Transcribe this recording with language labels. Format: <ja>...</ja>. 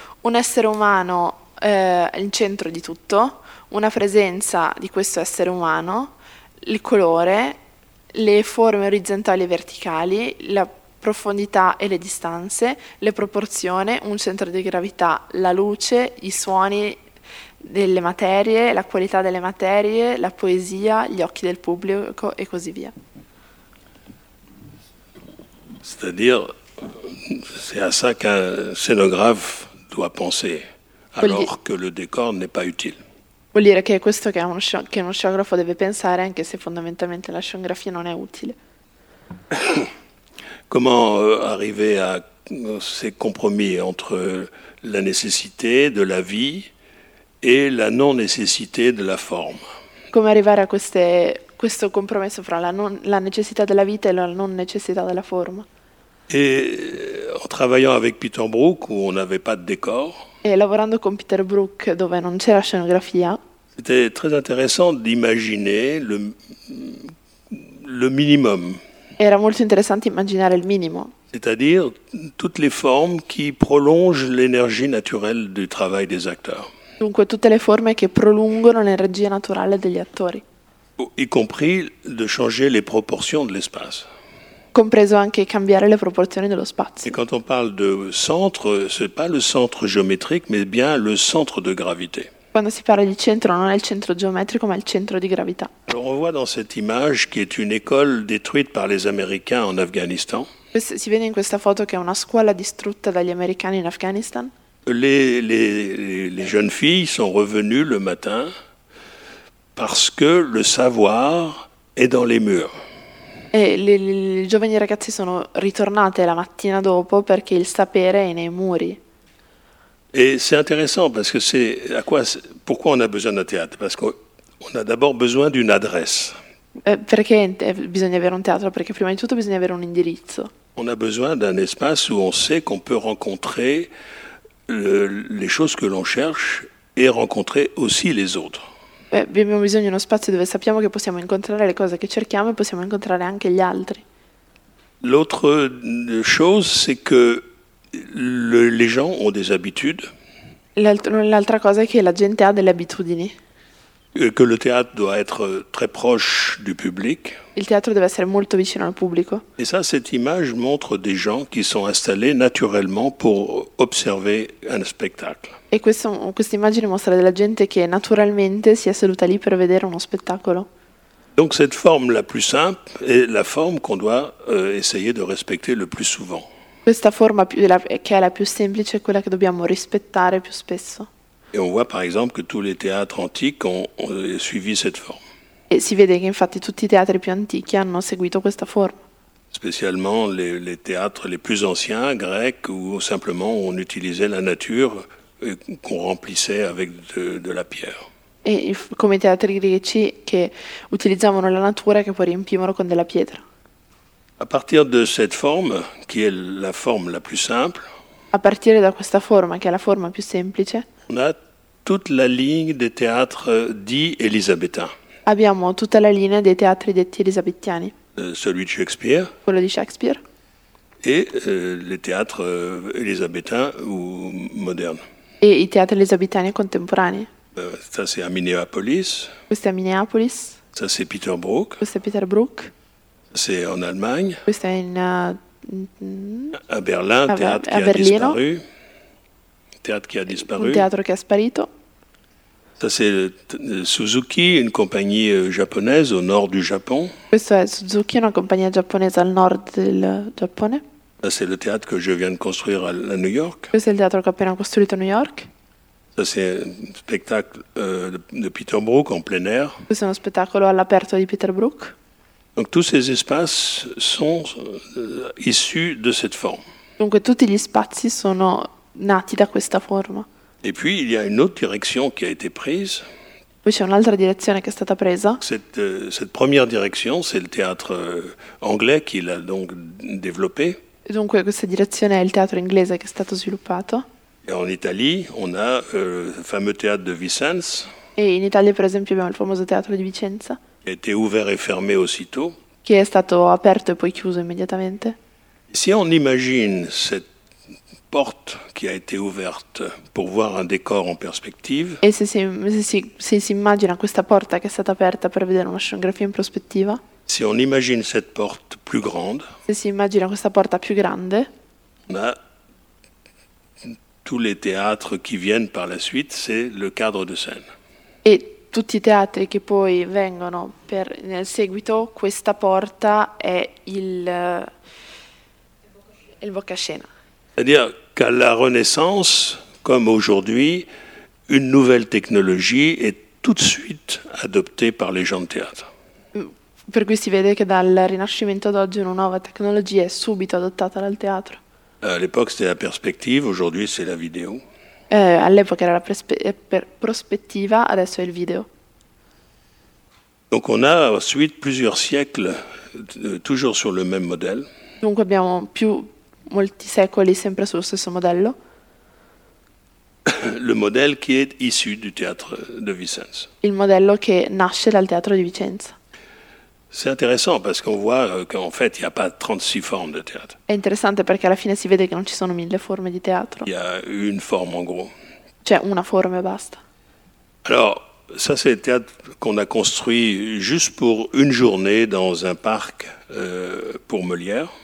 <it>Un essere umano al centro di tutto, una presenza di questo essere umano, il colore, le forme orizzontali e verticali, la profondità e le distanze, le proporzioni, un centro di gravità, la luce, i suoni delle materie, la qualità delle materie, la poesia, gli occhi del pubblico e così via.</it> <fr>C'est-à-dire, c'est à ça qu'un scénographe doit penser, alors che le décor n'est pas utile.</fr> <it>Vuol dire che è questo che uno scenografo deve pensare, anche se fondamentalmente la scenografia non è utile.</it> <fr>Comment arriver à ces compromis entre la nécessité de la vie</fr> <it>e la non necessità della forma. Come arrivare a questo compromesso fra la necessità della vita e la non necessità della forma?</it> <fr>Et en travaillant avec Peter Brook où on n'avait pas de décor.</fr> <it>E lavorando con Peter Brook dove non c'era scenografia.</it> <fr>C'était très intéressant d'imaginer le minimum.</fr> <it>Era molto interessante immaginare il minimo.</it> <fr>C'est-à-dire toutes les formes qui prolongent l'énergie naturelle du travail des acteurs.</fr> <it>Dunque tutte le forme che prolungono l'energia naturale degli attori.</it> <fr>Y compris de changer les proportions de l'espace.</fr> <it>Compreso anche cambiare le proporzioni dello spazio.</it> <fr>Et quand on parle de centre, c'est pas le centre géométrique, mais bien le centre de gravité.</fr> <it>Quando si parla di centro, non è il centro geometrico, ma è il centro di gravità.</it> <fr>Alors on voit dans cette image qui est une école détruite par les Américains en Afghanistan.</fr> <it>Si vede in questa foto che è una scuola distrutta dagli americani in Afghanistan.</it> <fr>Les jeunes filles sont revenues le matin parce que le savoir est dans les murs.</fr> <it>E le giovani ragazze sono ritornate la mattina dopo perché il sapere è nei muri.</it> <fr>Et c'est intéressant parce que c'est à quoi, pourquoi on a besoin d'un théâtre? Parce qu'on a d'abord besoin d'une adresse.</fr> <it>Perché bisogna avere un teatro? Perché prima di tutto bisogna avere un indirizzo.</it> <fr>On a besoin d'un espace où on sait qu'on peut rencontrer les choses que l'on cherche et rencontrer aussi les autres.</fr> <it>Abbiamo bisogno di uno spazio dove sappiamo che possiamo incontrare le cose che cerchiamo e possiamo incontrare anche gli altri.</it> <fr>L'autre chose, c'est que les gens ont des habitudes.</fr> <it>L'altra cosa è che la gente ha delle abitudini.</it> <fr>Que le théâtre doit être très proche du public.</fr> <it>Il teatro deve essere molto vicino al pubblico.</it> <fr>Et ça, cette image montre des gens qui sont installés naturellement pour observer un spectacle.</fr> <it>E questa immagine mostra della gente che naturalmente si è seduta lì per vedere uno spettacolo.</it> <fr>Donc cette forme la plus simple est la forme qu'on doit essayer de respecter le plus souvent.</fr> <it>Questa forma che è la più semplice è quella che dobbiamo rispettare più spesso.</it> <fr>Et on voit par exemple que tous les théâtres antiques ont suivi cette forme.</fr> <it>E si vede che infatti tutti i teatri più antichi hanno seguito questa forma.</it> <fr>Spécialement les théâtres les plus anciens, grecs, où simplement on utilisait la nature et qu'on remplissait avec de la pierre.</fr> <it>E come i teatri greci che utilizzavano la natura che poi riempivano con della pietra.</it> <fr>À partir de cette forme, qui est la forme la plus simple,</fr> <it>a partire da questa forma, che è la forma più semplice,</it> <fr>on a toute la ligne des théâtres dits élisabétains.</fr> <it>Abbiamo tutta la linea dei teatri detti elisabettiani.</it> <fr>Celui de Shakespeare.</fr> <it>Quello di Shakespeare.</it> <fr>Et les théâtres élisabétains ou modernes.</fr> <it>E i teatri elisabettiani contemporanei.</it> <fr>Ça c'est à Minneapolis.</fr> <it>Questo è a Minneapolis.</it> <fr>Ça c'est Peter Brook.</fr> <it>Questo è Peter Brook.</it> <fr>C'est en Allemagne.</fr> <it>Questo è in</it> <fr>à Berlin, théâtre qui</fr> <it>a Berlino.</it> <fr>Disparu. Théâtre qui a disparu.</fr> <it>Un teatro che è sparito.</it> <fr>Ça c'est Suzuki, une compagnie japonaise au nord du Japon.</fr> <it>Questo è Suzuki, una compagnia giapponese al nord del Giappone.</it> <fr>Ça c'est le théâtre que je viens de construire à New York.</fr> <it>Questo è il teatro che ho appena costruito a New York.</it> <fr>Ça c'est un spectacle de Peter Brook en plein air.</fr> <it>Questo è uno spettacolo all'aperto di Peter Brook.</it> <fr>Donc tous ces espaces sont issus de cette forme.</fr> <it>Dunque tutti gli spazi sono nati da questa forma.</it> <fr>Et puis il y a une autre direction qui a été prise.</fr> <it>Poi c'è un'altra direzione che è stata presa.</it> <fr>Cette première direction, c'est le théâtre anglais qui l'a donc développé.</fr> <it>Dunque questa direzione è il teatro inglese che è stato sviluppato.</it> <fr>Et en Italie, on a le fameux théâtre de Vicence.</fr> <it>E in Italia, per esempio, abbiamo il famoso teatro di Vicenza.</it> <fr>Qui a été ouvert et fermé aussitôt.</fr> <it>Che è stato aperto e poi chiuso immediatamente.</it> <fr>Si on imagine cette porte qui a été ouverte pour voir un décor en perspective.</fr> <it>E se si immagina questa porta che è stata aperta per vedere una scenografia in prospettiva.</it> <fr>Si on imagine cette porte plus grande.</fr> <it>Se si immagina questa porta più grande.</it> <fr>Là, tous les théâtres qui viennent par la suite, c'est le cadre de scène.</fr> <it>E tutti i teatri che poi vengono per nel seguito, questa porta è il bocascena.</it> <fr>C'est-à-dire qu'à la Renaissance, comme aujourd'hui, une nouvelle technologie est tout de suite adoptée par les gens de théâtre.</fr> <it>Per cui si vede che dal Rinascimento ad oggi una nuova tecnologia è subito adottata dal teatro.</it> <fr>À l'époque, c'était la perspective, aujourd'hui, c'est la vidéo.</fr> <it>All'epoca era la prospettiva, adesso è il video.</it> <fr>Donc on a ensuite plusieurs siècles toujours sur le même modèle.</fr> <it>Dunque abbiamo più molti secoli sempre sullo stesso modello.</it> <fr>Le modèle qui est issu du théâtre de Vicence.</fr> <it>Il modello che nasce dal teatro di Vicenza.</it> <fr>C'est intéressant parce qu'on voit qu'en fait, il n'y a pas 36 formes de théâtre.</fr> <it>È interessante perché alla fine si vede che non ci sono mille forme di teatro.</it> <fr>Il y a une forme en gros.</fr> <it>C'è una forma e basta.</it> <fr>Alors, ça c'est le théâtre qu'on a construit juste pour une journée dans un parc pour Molière.</fr>